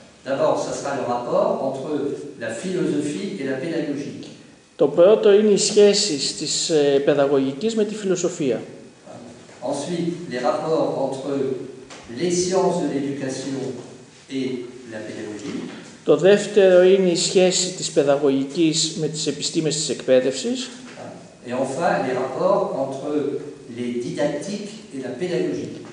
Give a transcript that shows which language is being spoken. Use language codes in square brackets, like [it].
[fr] D'abord, ça sera le rapport entre la philosophie et la pédagogie. [el] Το πρώτο είναι οι σχέσεις της παιδαγωγικής με τη φιλοσοφία. [fr] Ensuite, les rapports entre les sciences de l'éducation et la pédagogie. [el] Το δεύτερο είναι η σχέση της παιδαγωγικής με τις επιστήμες της εκπαίδευσης. [fr] Et enfin, les rapports entre les didactiques et la pédagogie.